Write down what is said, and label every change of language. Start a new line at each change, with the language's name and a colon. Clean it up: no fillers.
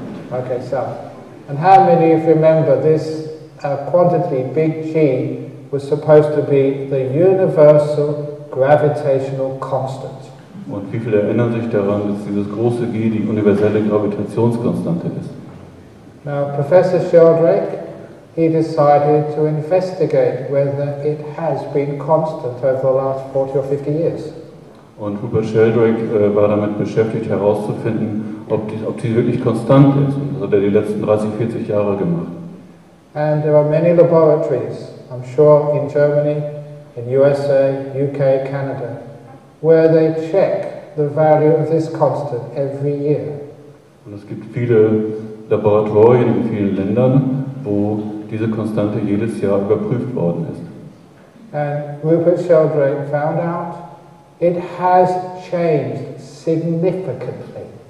English: Okay, so. And how many of you remember this quantity, big G, was supposed to be the universal gravitational constant?
German: Und wie viele erinnern sich daran, dass dieses große G die universelle Gravitationskonstante ist?
English: Now, Professor Sheldrake, he decided to investigate whether it has been constant over the last 40 or 50 years.
German: Und Rupert Sheldrake war damit beschäftigt, herauszufinden, ob die wirklich konstant ist. Das hat er die letzten 30, 40 Jahre gemacht.
English: And there are many laboratories, I'm sure in Germany, in USA, UK, Canada, where they check the value of this constant every year.
German: Und es gibt viele Laboratorien in vielen Ländern, wo diese Konstante jedes Jahr überprüft worden ist.
English: And Rupert Sheldrake found out, it has changed significantly.